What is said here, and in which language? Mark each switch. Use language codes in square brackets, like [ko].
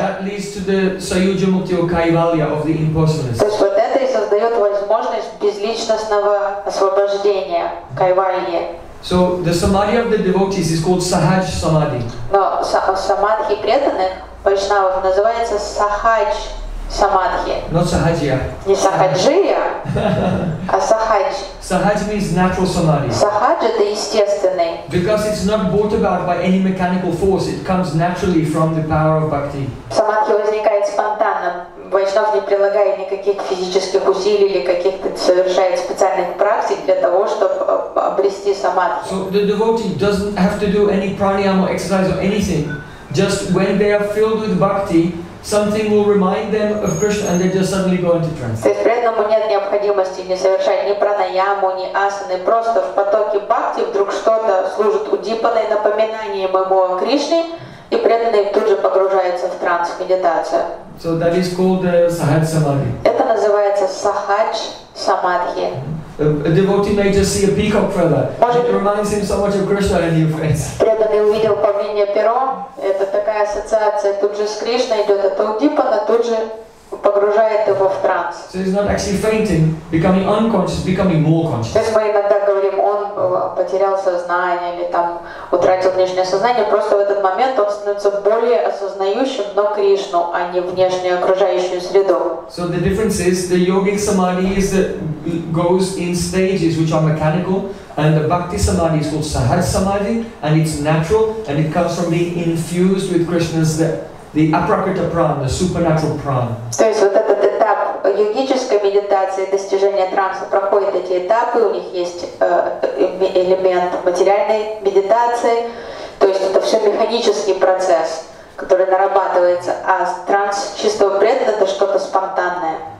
[en] So that leads to the Sayujya Muktiya Kaivalya of the impersonalist. [ru] То есть вот это и создает возможность безличностного освобождения кайвальи. [en] So the samadhi of the devotees is called sahaj samadhi. [ru] Но самадхи преданных вайшнавов называется сахадж Samadhi. [en] Not sahajya. [ru] Не сахаджия, а сахадж. [en] Sahaj means natural samadhi. [ru] Sahaj это естественный. [en] Because it's not brought about by any mechanical force, it comes naturally from the power of bhakti. [ru] Samadhi возникает спонтанно. Вайшнав не прилагает никаких физических усилий или каких-то совершает специальных практик для того, чтобы обрести самадхи. [en] So the devotee doesn't have to do any pranayama exercise or anything. Just when they are filled with bhakti, something will remind them of Krishna and they just suddenly go into trance. [ru] То есть при этом нет необходимости не совершать ни пранаяму, ни асаны, просто в потоке бхакти вдруг что-то служит удипанное напоминание ему о Кришне, и преданный тут же погружается в транс, в медитацию. [en] So that is called Sahaj Samadhi. [ru] Это называется Sahaj Samadhi. [en] A devotee may just see a peacock feather. Может, it reminds him so much of Krishna and new friends. [ru] Преданный увидел павлинье перо, это такая ассоциация, тут же с Кришной идет, это удипана, тут же погружает его в транс. [en] So he's not actually fainting, becoming unconscious, becoming more conscious. [ru] То есть мы иногда говорим, он потерял сознание или там утратил внешнее сознание, просто в этот момент он становится более осознающим, но Кришну, а не внешнюю окружающую среду. [en] So the difference is the yogic samadhi is that goes in stages which are mechanical, and the bhakti samadhi is called sahaj samadhi, and it's natural, and it comes from being infused with Krishna's the aprakrita prana, the supernatural prana. [ru] То есть вот этот этап йогической медитации, достижения транса, проходит эти этапы, у них есть элемент материальной медитации, то есть это все механический процесс, который нарабатывается, а транс чистого преданного — это что-то спонтанное.